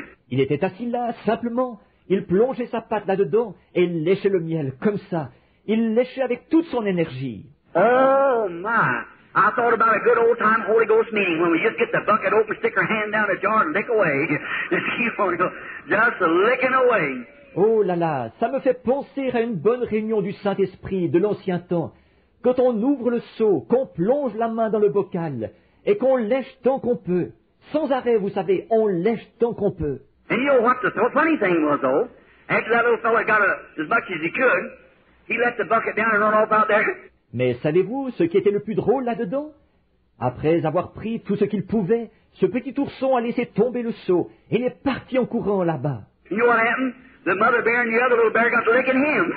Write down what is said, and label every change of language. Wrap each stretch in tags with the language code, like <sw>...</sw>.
<fr>Il était assis là, simplement. Il plongeait sa patte là-dedans et léchait le miel, comme ça. Il léchait avec toute son énergie.</fr> <en>Oh, my! I thought about a good old-time Holy Ghost meeting when we just get the bucket open, stick our hand down a jar and lick away. Just licking away.</en> <fr>Oh là là, ça me fait penser à une bonne réunion du Saint-Esprit de l'ancien temps. Quand on ouvre le seau, qu'on plonge la main dans le bocal et qu'on lèche tant qu'on peut. Sans arrêt, vous savez, on lèche tant qu'on peut.</fr> <en>And you know what the funny thing was, though? After that little fellow got as much as he could, he let the bucket down and run off out there.</en> <fr>Mais savez-vous ce qui était le plus drôle là-dedans? Après avoir pris tout ce qu'il pouvait, ce petit ourson a laissé tomber le seau et il est parti en courant là-bas.</fr> <en>You know what happened? The mother bear and the other little bear got licking him.</en>